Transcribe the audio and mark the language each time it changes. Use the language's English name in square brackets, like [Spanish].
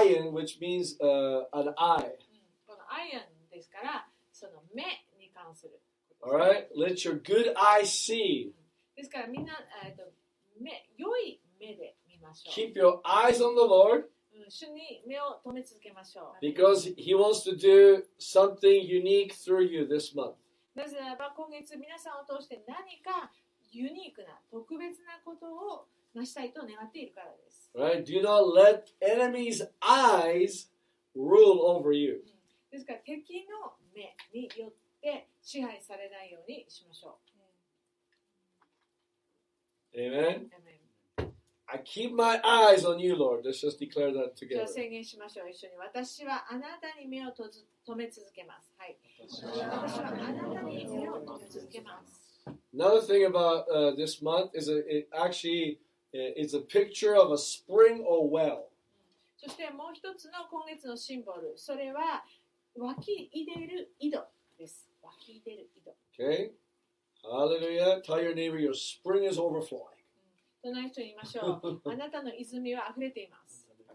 [English] it's an iron which means an eye. [Japanese] この iron ですから、その目に関する。 [English] All right, let your good eye see. [Japanese] ですからみんな良い目で見ましょう。 [English] Keep your eyes on the Lord. [Japanese] 主に目を留め続けましょう。 [English] Because He wants to do something unique through you this month. [Japanese] なぜならば今月皆さんを通して何かユニークな特別なことを成したいと願っているからです。 [English] Right? Do not let enemy's eyes rule over you. [Japanese] ですから敵の目によって支配されないようにしましょう。 [English] Amen. Amen. I keep my eyes on you, Lord. Let's just declare that together. [Japanese] 宣言しましょう、一緒に。私はあなたに目を留め続けます。はい。私はあなたに目を留め続けます。 [English] Another thing about、this month is it actually is a picture of a spring or well. [Japanese] そしてもう一つの今月のシンボル、それは湧き出る井戸です。湧き出る井戸。 [English] Okay. Hallelujah. Tell your neighbor your spring is overflowing. [Japanese] 隣の人に言いましょう。あなたの泉は溢れています。